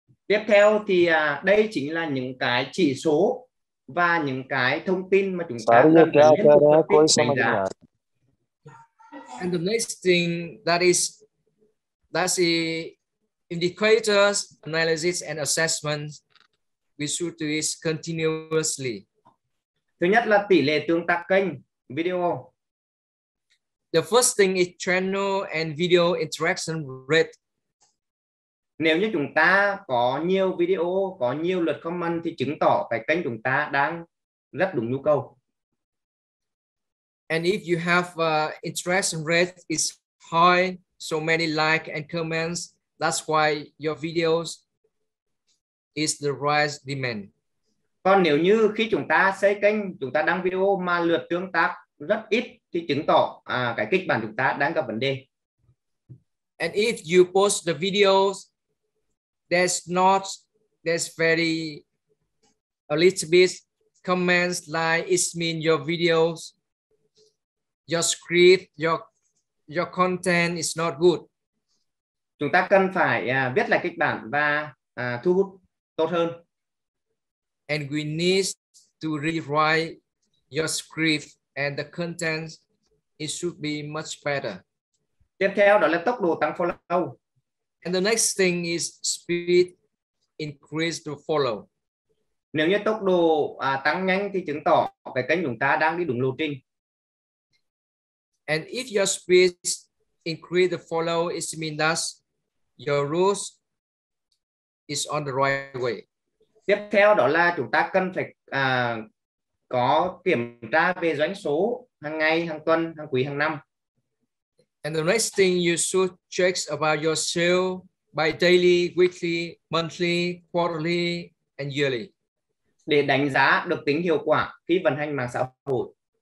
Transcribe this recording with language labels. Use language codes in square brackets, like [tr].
[vi] Tiếp theo thì đây chính là những cái chỉ số và những cái thông tin mà chúng ta cần biết. [en] And the next thing that's the indicators, analysis and assessment. We should do this continuously. [vi] Thứ nhất là tỷ lệ tương tác kênh video. [en] The first thing is channel and video interaction rate. [vi] Nếu như chúng ta có nhiều video, có nhiều lượt comment thì chứng tỏ cái kênh chúng ta đang rất đúng nhu cầu. [en] And if you have interaction rate is high, so many like and comments, that's why your videos is the right demand. [vi] Còn nếu như khi chúng ta xây kênh, chúng ta đăng video mà lượt tương tác rất ít thì chứng tỏ cái kịch bản chúng ta đang gặp vấn đề. [en] And if you post the videos, there's very a little bit comments like it means your videos, your script, your content is not good. [vi] Chúng ta cần phải viết lại kịch bản và thu hút tốt hơn. [en] And we need to rewrite your script and the content. It should be much better. [vi] Tiếp theo đó là tốc độ tăng follow. [en] And the next thing is speed increase to follow. [vi] Nếu như tốc độ tăng nhanh thì chứng tỏ cái kênh chúng ta đang đi đúng lộ trình. [en] And if your speed increase the follow, it means that your rules is on the right way. [vi] Tiếp theo đó là chúng ta cần phải có kiểm tra về doanh số hàng ngày, hàng tuần, hàng quý, hàng năm. [en] And the next thing you should check about your sale by daily, weekly, monthly, quarterly and yearly. [vi] Để đánh giá được tính hiệu quả khi vận hành mạng xã hội.